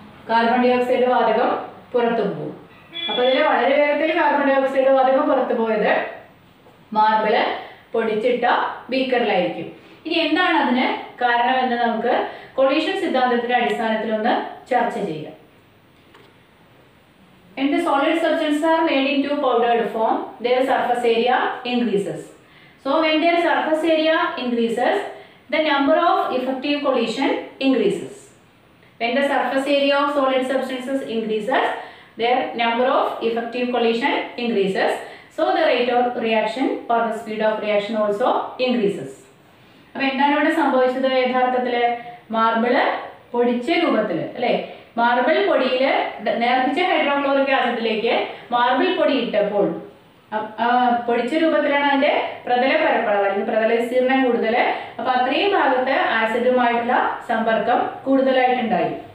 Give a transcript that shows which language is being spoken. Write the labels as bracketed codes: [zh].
[ml] Carbon dioxide വാതകം പുറത്തു പോകും. അപ്പൊ ഇതിൽ വളരെ വേഗത്തിൽ കാർബൺ ഡയോക്സൈഡ് വാതകം പുറത്തു പോയത് മാർബിള് പൊടിച്ചിട്ട ബീക്കറിലായിരിക്കും. ഇനി എന്താണ് അതിന് കാരണമെന്ന് നമുക്ക് കൊളീഷൻ സിദ്ധാന്തത്തിന്റെ അടിസ്ഥാനത്തിൽ ഒന്ന് ചർച്ച ചെയ്യാം. [en] When the solid substances are made into powdered form, their surface area increases. So when their surface area increases, the number of effective collision increases. When the surface area of solid substances increases, their number of effective collision increases. So the rate of reaction or the speed of reaction also increases. [ml] അപ്പോൾ എന്താണ് ഇവിടെ സംഭവിച്ചത്? യഥാർത്ഥത്തിൽ marble പൊടിച്ച രൂപത്തിൽ അല്ലേ, marble പൊടിയിൽ നേർപ്പിച്ച hydrochloric ആസിഡിലേക്ക് marble പൊടി ഇട്ടപ്പോൾ പൊടിച്ച രൂപത്തിലാണ് അതിൻ്റെ പ്രതല പരപ്പളവ് അല്ലെങ്കിൽ പ്രതല വിസ്തീർണം കൂടുതൽ. അപ്പോൾ അത്രയും ഭാഗത്ത് ആസിഡുമായിട്ടുള്ള സമ്പർക്കം കൂടുതലായിട്ടുണ്ടായി.